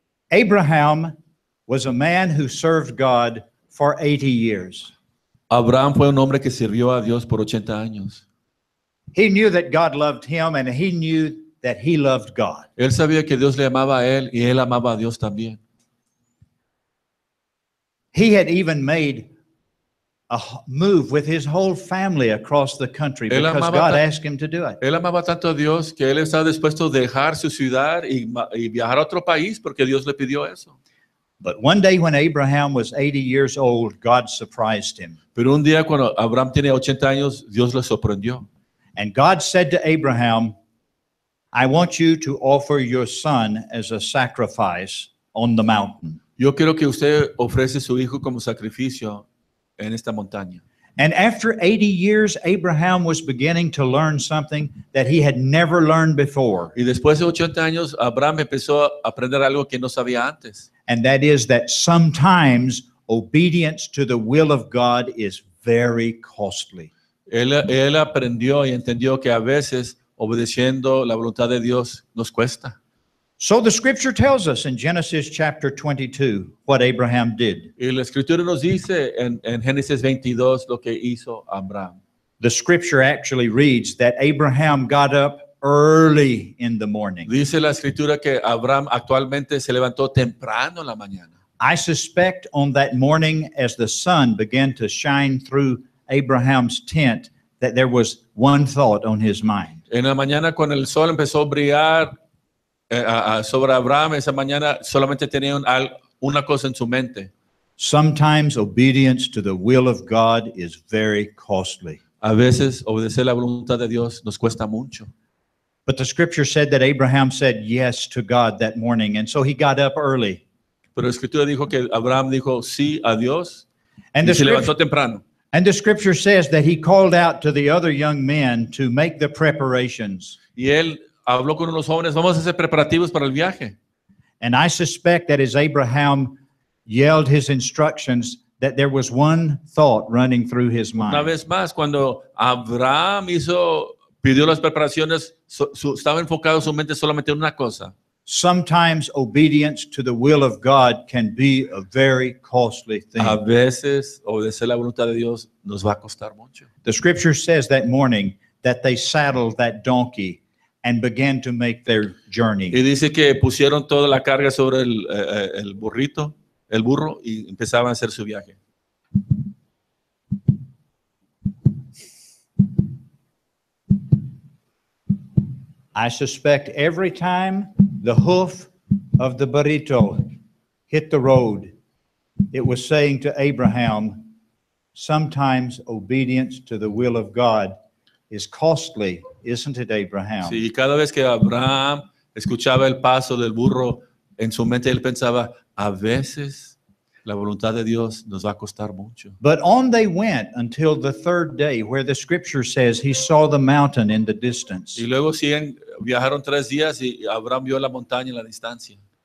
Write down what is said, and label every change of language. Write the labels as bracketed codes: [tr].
[en] Abraham was a man who served God for 80 years. [es] Abraham fue un hombre que sirvió a Dios por 80 años. [en] He knew that God loved him and he knew that he loved God. [es] Él sabía que Dios le amaba a él y él amaba a Dios también. [en] He had even made a move with his whole family across the country because God asked him to do it. [es] Él amaba tanto a Dios que él estaba dispuesto a dejar su ciudad y viajar a otro país porque Dios le pidió eso. [en] But one day when Abraham was 80 years old, God surprised him. [es] Pero un día cuando Abraham tiene 80 años, Dios le sorprendió. [en] And God said to Abraham, I want you to offer your son as a sacrifice on the mountain. [es] Yo quiero que usted ofrece su hijo como sacrificio en esta montaña. [en] And after 80 years, Abraham was beginning to learn something that he had never learned before. [es] Y después de 80 años, Abraham empezó a aprender algo que no sabía antes. [en] And that is that sometimes obedience to the will of God is very costly. [es] Él aprendió y entendió que a veces obedeciendo la voluntad de Dios nos cuesta. [en] So the scripture tells us in Genesis chapter 22 what Abraham did. [es] Y la escritura nos dice en Génesis 22 lo que hizo Abraham. [en] The scripture actually reads that Abraham got up early in the morning. [es] Dice la escritura que Abraham actualmente se levantó temprano en la mañana. [en] I suspect on that morning as the sun began to shine through Abraham's tent that there was one thought on his mind. [es] En la mañana cuando el sol empezó a brillar sobre Abraham esa mañana solamente tenía una cosa en su mente. [en] Sometimes obedience to the will of God is very costly. [es] A veces obedecer la voluntad de Dios nos cuesta mucho. [en] But the scripture said that Abraham said yes to God that morning and so he got up early. [es] Pero la escritura dijo que Abraham dijo sí a Dios y se levantó temprano. [en] And the scripture says that he called out to the other young men to make the preparations. [es] Y él habló con unos jóvenes, vamos a hacer preparativos para el viaje. [en] And I suspect that as Abraham yelled his instructions, that there was one thought running through his mind. [es] Una vez más, cuando Abraham pidió las preparaciones, estaba enfocado su mente solamente en una cosa. [en] Sometimes obedience to the will of God can be a very costly thing. [es] A veces, obedecer la voluntad de Dios nos va a costar mucho. [en] The scripture says that morning that they saddled that donkey and began to make their journey. [es] Y dice que pusieron toda la carga sobre el burrito, el burro, y empezaban a hacer su viaje. [en] I suspect every time the hoof of the burrito hit the road, it was saying to Abraham, sometimes obedience to the will of God is costly, isn't it, Abraham? [es] Sí, y cada vez que Abraham escuchaba el paso del burro, en su mente él pensaba, a veces la voluntad de Dios nos va a costar mucho. [en] But on they went until the third day, where the scripture says he saw the mountain in the distance. [es] Y luego siguen, viajaron tres días y Abraham vio la montaña en la distancia.